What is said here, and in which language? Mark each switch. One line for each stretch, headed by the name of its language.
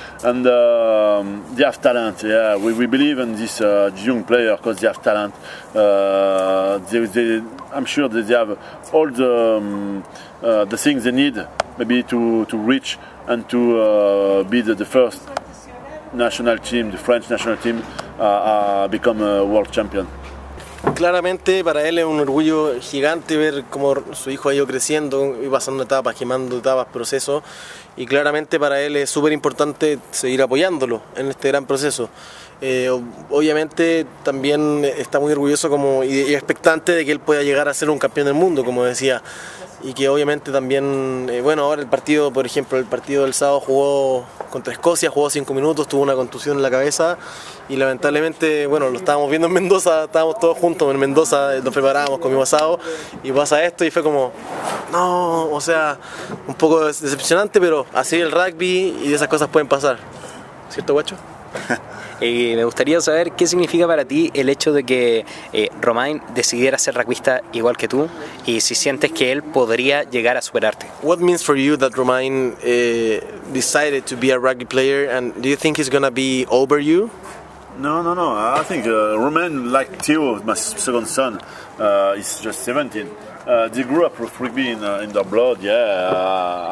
English: And they have talent. Yeah, we believe in this young player because they have talent. I'm sure that they have all the things they need. Maybe to reach and to be the first national team, the French national team, become a world champion.
Spanish: Claramente para él es un orgullo gigante ver cómo su hijo ha ido creciendo y pasando etapas, quemando etapas, procesos. Y claramente para él es súper importante seguir apoyándolo en este gran proceso. Obviamente también está muy orgulloso y expectante de que él pueda llegar a ser un campeón del mundo, como decía. Y que obviamente también, bueno, ahora el partido, por ejemplo, el partido del sábado jugó contra Escocia, jugó 5 minutos, tuvo una contusión en la cabeza y lamentablemente, bueno, lo estábamos viendo en Mendoza, estábamos todos juntos en Mendoza, nos preparábamos con mi asado y pasa esto y fue como, no, o sea, un poco decepcionante, pero así el rugby y esas cosas pueden pasar, ¿cierto, guacho? Me gustaría saber qué significa para ti el hecho de que Romain decidiera ser rugbyista igual que tú y si sientes que él podría llegar a superarte.
English: What means for you that Romain decided to be a rugby player, and do you think he's gonna be over you? No. I think Romain, like Theo, my second son, he's just 17. They grew up with rugby in their blood, yeah.